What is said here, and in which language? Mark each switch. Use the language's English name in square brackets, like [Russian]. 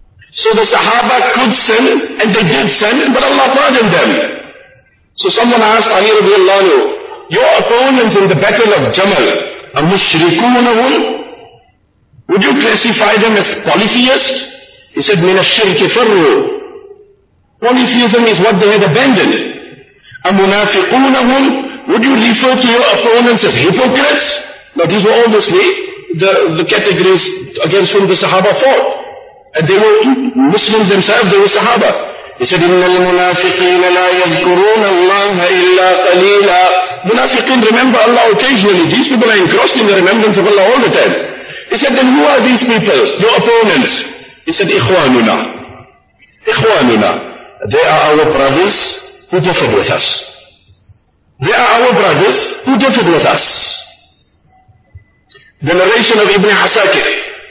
[English] So the Sahaba could sin and they did sin, but Allah pardoned them. So someone asked Ali radiallahu anhu, your opponents in the battle of Jamal, a mushrikunahum? Would you classify them as polytheists? He said, [Arabic] مِنَ الشِّرْكِ فَرُّوا. [English] Polytheism is what they had abandoned. [Arabic] أَمُنَافِقُونَهُمْ. [English] Would you refer to your opponents as hypocrites? Now these were obviously the categories against whom the Sahaba fought. And they were Muslims themselves, they were Sahaba. He said, [Arabic] إِنَّ الْمُنَافِقِينَ لَا يَذْكُرُونَ اللَّهَ إِلَّا قَلِيلًا. [English] Munafiqeen remember Allah occasionally. These people are engrossed in the remembrance of Allah all the time. He said, then who are these people, your opponents? He said, Ikhwanuna. Ikhwanuna. They are our brothers who differed with us. They are our brothers who differed with us. The narration of Ibn Asakir.